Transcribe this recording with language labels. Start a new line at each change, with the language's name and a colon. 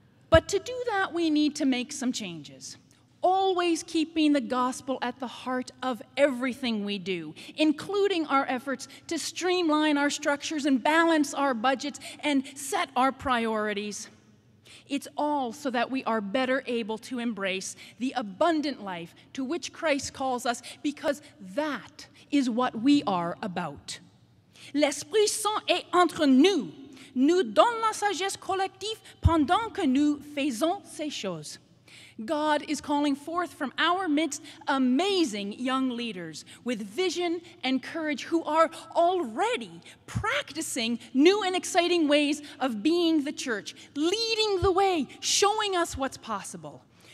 English: But to do that, we need to make some changes, always keeping the gospel at the heart of everything we do, including our efforts to streamline our structures and balance our budgets and set our priorities. It's all so that we are better able to embrace the abundant life to which Christ calls us, because that is what we are about.
French: L'Esprit Saint est entre nous. Nous donne la sagesse collective pendant que nous faisons ces choses.
English: God is calling forth from our midst amazing young leaders with vision and courage who are already practicing new and exciting ways of being the church, leading the way, showing us what's possible.